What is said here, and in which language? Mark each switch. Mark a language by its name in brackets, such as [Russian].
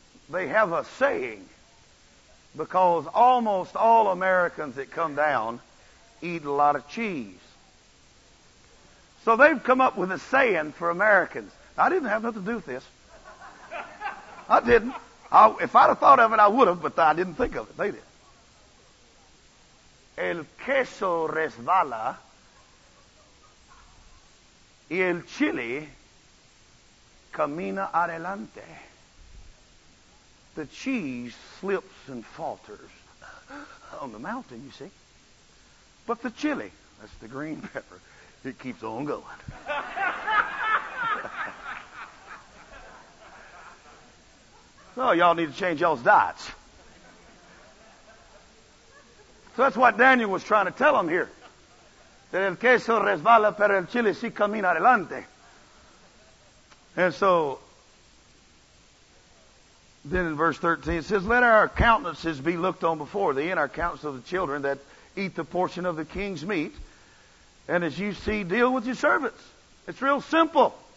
[English] They have a saying, because almost all Americans that come down eat a lot of cheese. So they've come up with a saying for Americans. I didn't have nothing to do with this. I didn't. If I'd have thought of it, I would have, but I didn't think of it. They did. [Spanish] El queso resbala y el chile camina adelante. [English] The cheese slips and falters on the mountain, you see. But the chili, that's the green pepper, it keeps on going. So y'all need to change y'all's diets. So that's what Daniel was trying to tell them here. That [Spanish] el queso resbala, pero el chile sí camina adelante. [English] And so, then in verse 13, it says, let our countenances be looked on before thee, and our countenances of the children that eat the portion of the king's meat, and as you see, deal with your servants. It's real simple.